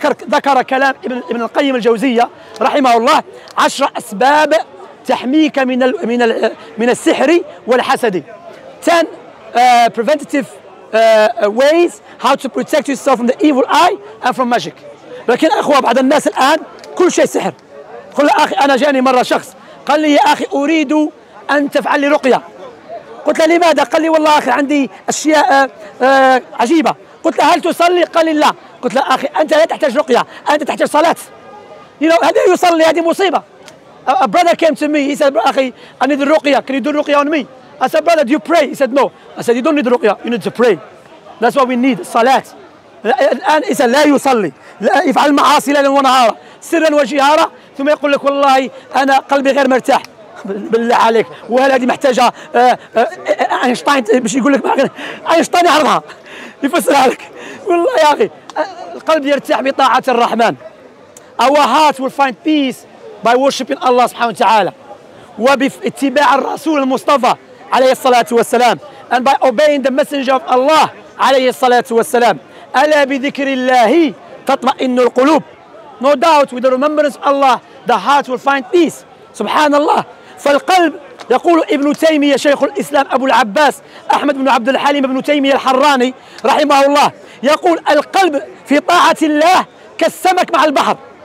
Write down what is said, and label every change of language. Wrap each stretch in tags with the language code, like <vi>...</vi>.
<ar>ذكر كلام ابن القيم الجوزية رحمه الله, 10 أسباب تحميك من السحر والحسد.</ar> <en>10 preventative ways how to protect yourself from the evil eye and from magic.</en> <ar>لكن أخوة بعض الناس الآن كل شيء سحر. قل له أخي, أنا جاني مرة شخص قال لي يا أخي أريد أن تفعل لي رقية. قلت له لماذا؟ قال لي والله أخي عندي أشياء عجيبة. قلت له هل تصلي؟ قال لي لا. قلت له أخي أنت لا تحتاج رقية, أنت تحتاج صلاة.</ar> <en>You know,</en> <ar>هذا يصلي, هذه مصيبة.</ar> <en>A brother came to me, he said, أخي I need الرقية, can you do الرقية on me? I said, brother, do you pray? He said, no. I said, you don't need ruqya, you need to pray. That's what we need, salat.</en> <ar>الآن إذا لا يصلي, لا يفعل معاصي ليلا ونهارا, سرا وجهارا, ثم يقول لك والله أنا قلبي غير مرتاح. بالله عليك, وهل هذه محتاجة أينشتاين باش يقول لك أينشتاين يعرضها يفسرها لك. والله يا أخي القلب يرتاح بطاعة الرحمن.</ar> <en>Our heart will find peace by worshiping Allah</en> <ar>سبحانه وتعالى وباتباع الرسول المصطفى عليه الصلاة والسلام,</ar> <en>and by obeying the messenger of Allah</en> <ar>عليه الصلاة والسلام. ألا بذكر الله تطمئن القلوب.</ar> <en>No doubt, with the remembrance of Allah, the heart will find peace.</en> <ar>سبحان الله. فالقلب, يقول ابن تيمية شيخ الإسلام أبو العباس أحمد بن عبد الحليم بن تيمية الحراني رحمه الله, يقول القلب في طاعة الله كالسمك مع البحر.</ar>